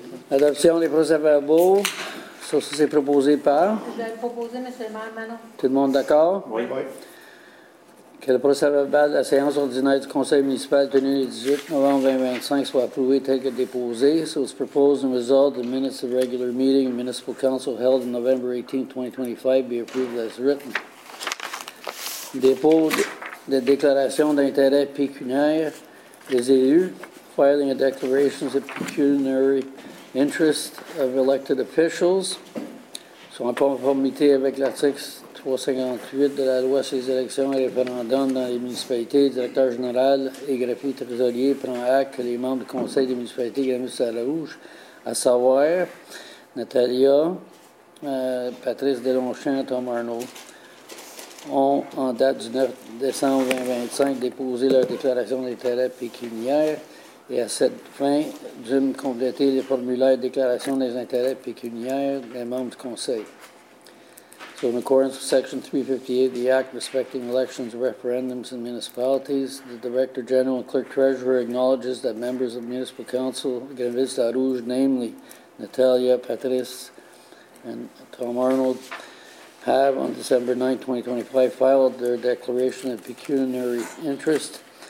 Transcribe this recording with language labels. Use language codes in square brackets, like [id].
[fr] Adoption des procès-verbaux, ça, ça c'est proposé par? Je vais le proposer, M. le maire, maintenant. Tout le monde d'accord? Oui. Que le procès-verbal de la séance ordinaire du conseil municipal tenu le 18 novembre 2025 soit approuvé tel que déposé. [en] So it's proposed and resolved the minutes of regular meeting of municipal council held in November 18, 2025 be approved as written. [fr] Dépôt de déclaration d'intérêt pécuniaire des élus. [en] Filing a declaration of pecuniary interest of elected officials. [fr] So, en conformité avec l'article 358 de la loi sur les élections et référendums dans les municipalités, le directeur général et greffier trésorier prend acte que les membres du conseil des municipalités Grémus-Salarouge, à savoir Natalia, Patrice Deslongchamps, Tom Arnault, ont, en date du 9 décembre 2025, déposé leur déclaration d'intérêt pécuniaire. Et à cette fin, d'une compléter les formulaires de déclaration des intérêts pécuniaires des membres du Conseil. [en] So, in accordance with Section 358 of the Act respecting elections, referendums, and municipalities, the Director General and Clerk Treasurer acknowledges that members of Municipal Council, Grenville-Sarouge, namely Natalia, Patrice, and Tom Arnold, have on December 9, 2025, filed their declaration of pecuniary interest.